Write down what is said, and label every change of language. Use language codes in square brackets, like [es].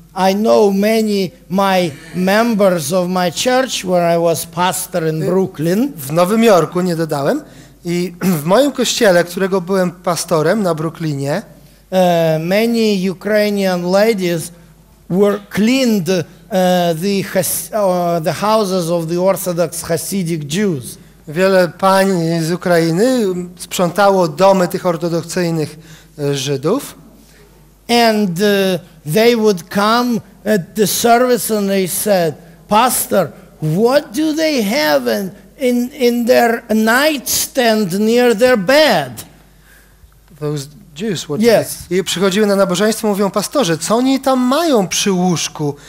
[en] I know many my members of my church where I was pastor in Brooklyn. [pl] W Nowym Jorku nie dodałem i w moim kościele, którego byłem pastorem na Brooklynie, [en] many Ukrainian ladies were cleaned the houses of the Orthodox Hasidic Jews. [pl] Wiele pań z Ukrainy sprzątało domy tych ortodoksyjnych Żydów. [en] And they would come at the service and they said, "Pastor, what do they have in their nightstand near their bed?" those Jews were yes. [pl] I przychodziły na nabożeństwo, mówią: pastorze, co oni tam mają przy łóżku?